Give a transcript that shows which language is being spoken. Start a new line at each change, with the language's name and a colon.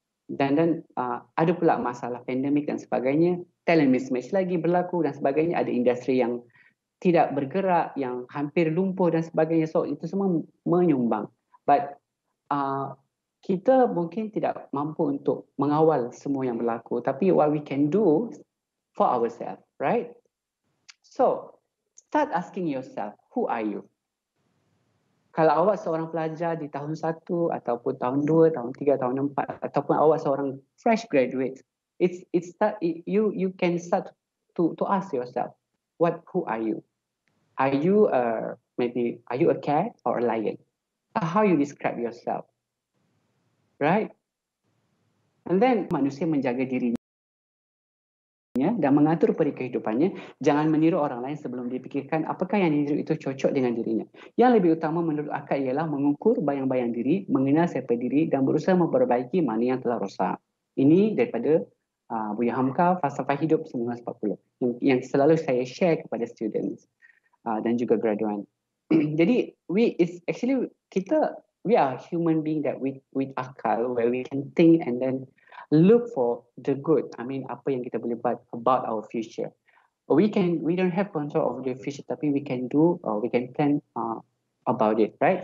Malay: Dan ada pula masalah pandemik dan sebagainya. Talent mismatch lagi berlaku dan sebagainya. Ada industri yang tidak bergerak, yang hampir lumpuh dan sebagainya. So itu semua menyumbang.
English: But
Malay: kita mungkin tidak mampu untuk mengawal semua yang berlaku. Tapi
English: what we can do for ourselves, right? So start asking yourself, who are you?
Malay: Kalau awak seorang pelajar di tahun 1 ataupun tahun 2, tahun 3, tahun 4 ataupun awak seorang
English: fresh graduate, you can start to ask yourself, who are you? Are you a cat or a lion? How you describe yourself? Right? And then
Malay: manusia menjaga dirinya dan mengatur peri kehidupannya, jangan meniru orang lain sebelum dipikirkan apakah yang diniru itu cocok dengan dirinya. Yang lebih utama menurut akal ialah mengukur bayang-bayang diri, mengenal siapa diri dan berusaha memperbaiki mana yang telah rosak. Ini daripada Buya Hamka, Falsafah Hidup 1940, yang selalu saya share kepada students dan juga graduan.
English: Jadi we are human being that with akal, where we can think and then look for the good. I mean,
Malay: apa yang kita boleh buat
English: about our future. We don't have control of the future,
Malay: tapi
English: we can do or we can plan about it, right?